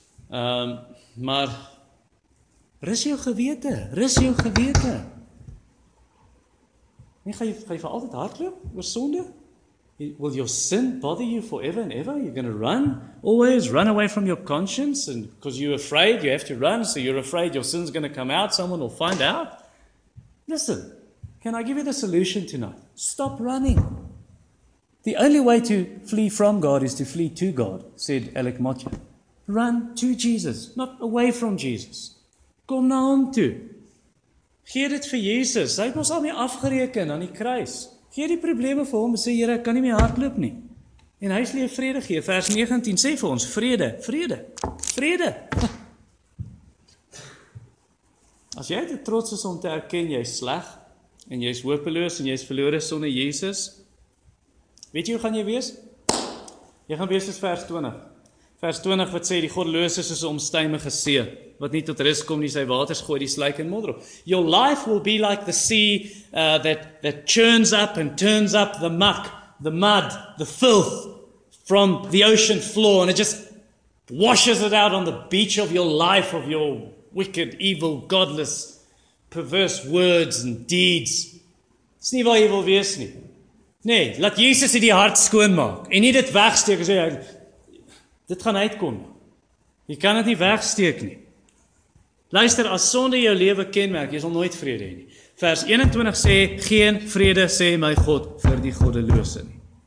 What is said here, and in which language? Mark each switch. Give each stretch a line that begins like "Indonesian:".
Afrikaans: maar Rus jou gewete, rus jou gewete. Nie ga jy vir altyd hardloop oor sonde?
English: Will your sin bother you forever and ever? You're going to run, always run away from your conscience and because you're afraid, you have to run, so you're afraid your sin's going to come out, someone will find out. Listen, can I give you the solution tonight? Stop running. The only way to flee from God is to flee to God, said Alec Motcher. Run to Jesus, not away from Jesus.
Afrikaans: Kom na hom toe. Gee dit vir Jesus. Hy het ons al mee afgereken aan die kruis. Gee die probleme vir hom en sê, Here, ek kan nie meer hardloop nie. En hy sal jou vrede gee. Vers 19 sê vir ons, vrede, vrede, vrede. As jy te trots is om te erken, jy is sleg, en jy is hopeloos, en jy is verlore sonder Jesus, weet jy hoe gaan jy wees? Jy gaan wees soos vers 20. Vers 20 wat sê, die goddelose is soos 'n omstuimige see. Wat nie tot rus kom nie, sy waters gooi die slijk en modder op.
English: Your life will be like the sea that churns up and turns up the muck, the mud, the filth from the ocean floor, and it just washes it out on the beach of your life, of your wicked, evil, godless, perverse words and deeds.
Afrikaans: Dis nie waar jy wil wees nie. Nee, laat Jesus dit die hart skoon maak en nie dit wegsteek en sê dit gaan uitkom. Jy kan dit nie wegsteek nie. Luister, as sonde jou lewe kenmerk, jy sal nooit vrede hê nie. Vers 21 sê, geen vrede sê my God vir die goddelose nie.